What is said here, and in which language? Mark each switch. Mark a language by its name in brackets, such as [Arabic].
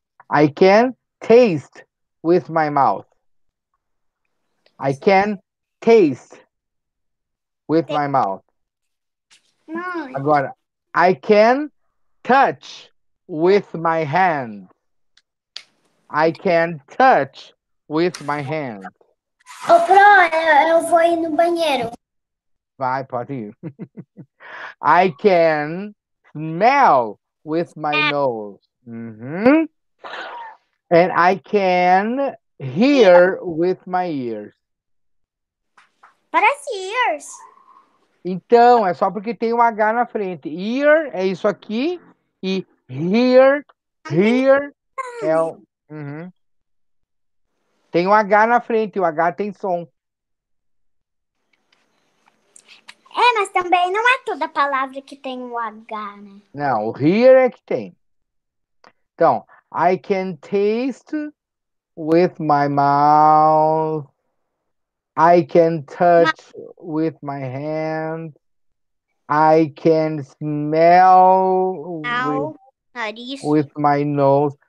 [English] I can taste with my mouth. I can taste with my mouth. [Portuguese] Não. [English] Agora, I can touch with my hand. I can touch. With my hand. [Portuguese] Ô, Pro, eu vou ir no banheiro. Vai, pode ir. [English] I can smell with my nose. Uhum. And I can hear with my ears. [Portuguese] Parece ears. Então, é só porque tem um H na frente. Ear é isso aqui. E hear é o... Uhum. Tem um H na frente, o H tem som. É, mas também não é toda palavra que tem o H, né? Não, o here é que tem. [English] Então, I can taste with my mouth. I can touch with my hand. I can smell with my nose.